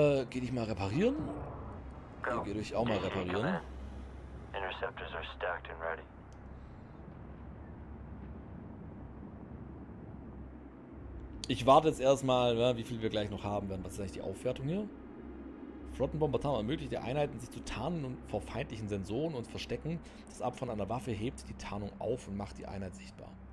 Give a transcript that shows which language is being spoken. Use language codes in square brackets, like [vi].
[de] Geh dich mal reparieren? Hier geh dich auch mal reparieren. [en] Interceptors are stacked and ready. [de] Ich warte jetzt erstmal, wie viel wir gleich noch haben werden. Was ist eigentlich die Aufwertung hier? Flottenbombardement ermöglicht die Einheiten, sich zu tarnen und vor feindlichen Sensoren und verstecken. Das Abfeuern einer Waffe hebt die Tarnung auf und macht die Einheit sichtbar.